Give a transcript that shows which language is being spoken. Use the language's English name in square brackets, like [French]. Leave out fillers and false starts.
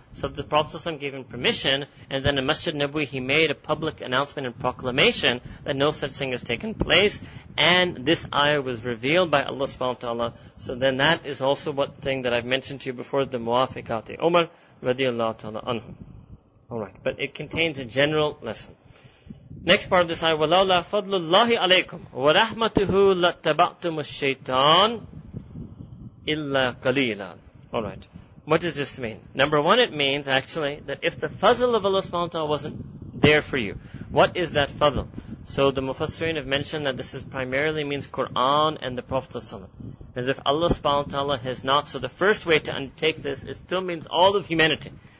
[English] So the Prophet gave him permission, and then in Masjid Nabawi he made a public announcement and proclamation that no such thing has taken place, and this ayah was revealed by Allah subhanahu wa ta'ala. So then that is also what thing that I've mentioned to you before, the Muwafiqati Umar radiallahu ta'ala anhu. Alright, but it contains a general lesson. Next part of this ayah, [Arabic] وَلَوْ لَا فَضْلُ اللَّهِ عَلَيْكُمْ وَرَحْمَتُهُ لَتَّبَعْتُمُ الشَّيْطَانِ إِلَّا قَلِيلًا. [English] Alright. What does this mean? Number one, it means actually that if the fazl of Allah subhanahu wa ta'ala wasn't there for you, what is that fazl? So the Mufassirin have mentioned that this is primarily means Quran and the Prophet ﷺ. As if Allah subhanahu wa ta'ala has not, so the first way to undertake this, it still means all of humanity.